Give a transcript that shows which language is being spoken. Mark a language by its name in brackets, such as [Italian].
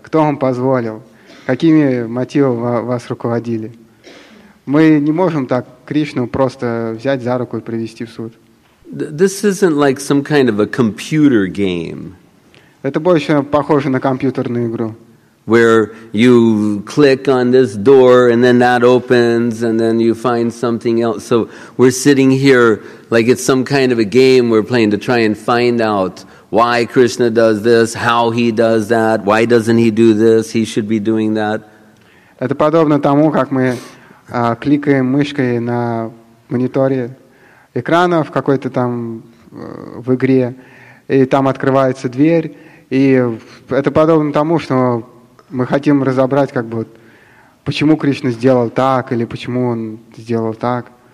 [Russian] Кто вам позволил? Какими мотивами вас руководили? Мы не можем так Кришну просто взять за руку и привести в суд. [English] This isn't like some kind of a computer game. [Russian] Это больше похоже на компьютерную игру. [English] Where you click on this door and then that opens and then you find something else. So we're sitting here like it's some kind of a game we're playing to try and find out why Krishna does this, how he does that, why doesn't he do this, he should be doing that. [Russian] Это подобно тому, как мы кликаем мышкой на мониторе экрана в какой-то там в игре, и там открывается дверь, и это подобно тому, что мы хотим разобрать, как бы, почему Кришна сделал так, или почему он сделал так.